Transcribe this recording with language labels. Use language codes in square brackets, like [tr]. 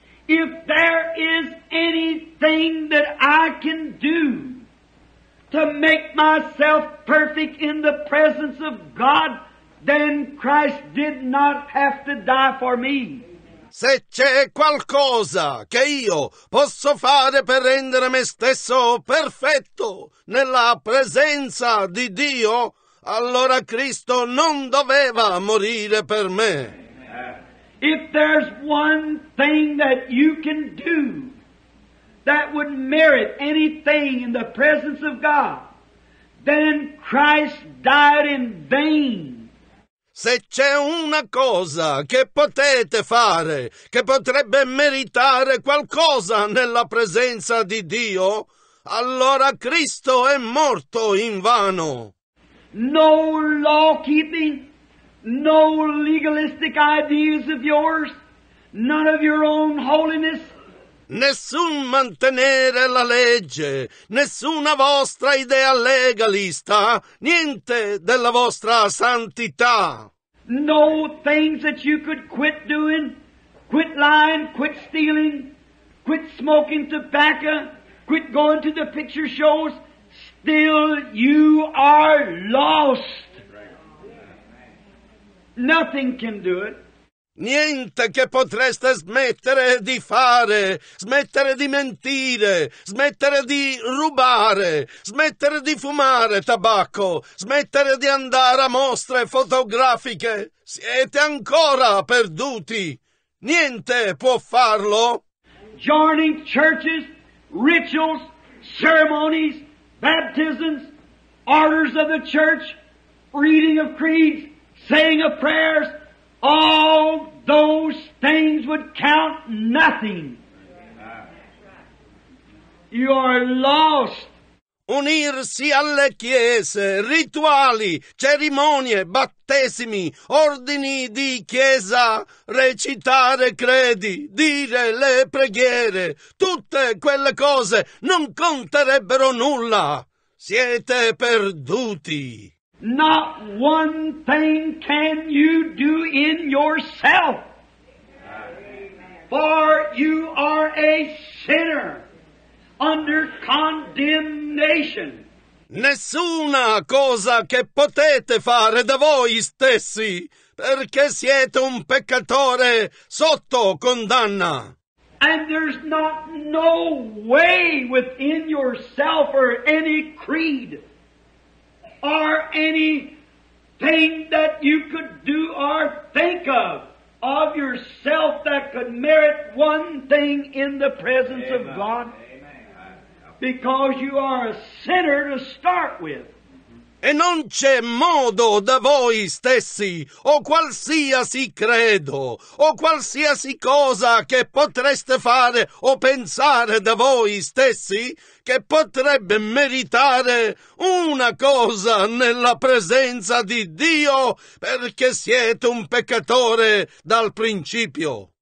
[en] If there is anything that I can do to make myself perfect in the presence of God, then Christ did not have to die for me. [it] Se c'è qualcosa che io posso fare per rendere me stesso perfetto nella presenza di Dio, allora Cristo non doveva morire per me. [en] If there's one thing that you can do that would merit anything in the presence of God, then Christ died in vain. [it] Se c'è una cosa che potete fare che potrebbe meritare qualcosa nella presenza di Dio, allora Cristo è morto invano. [en] No law keeping, no legalistic ideas of yours, none of your own holiness. [it] Nessun mantenere la legge, nessuna vostra idea legalista, niente della vostra santità. [en] No things that you could quit doing, quit lying, quit stealing, quit smoking tobacco, quit going to the picture shows, still you are lost. Nothing can do it. [it] Niente che potreste smettere di fare, smettere di mentire, smettere di rubare, smettere di fumare tabacco, smettere di andare a mostre fotografiche, siete ancora perduti. Niente può farlo. [en] Joining churches, rituals, ceremonies, baptisms, orders of the church, reading of creeds, saying of prayers, all those things would count nothing. You are lost. [it] Unirsi alle chiese, rituali, cerimonie, battesimi, ordini di chiesa, recitare credi, dire le preghiere, tutte quelle cose non conterebbero nulla. Siete perduti. [en] Not one thing can you do in yourself, for you are a sinner under condemnation. [it] Nessuna cosa che potete fare da voi stessi, perché siete un peccatore sotto condanna. [en] And there's not no way within yourself or any creed or anything that you could do or think of yourself that could merit one thing in the presence Amen. Of God. Amen. Because you are a sinner to start with. [it] E non c'è modo da voi stessi, o qualsiasi credo, o qualsiasi cosa che potreste fare o pensare da voi stessi, che potrebbe meritare una cosa nella presenza di Dio, perché siete un peccatore dal principio.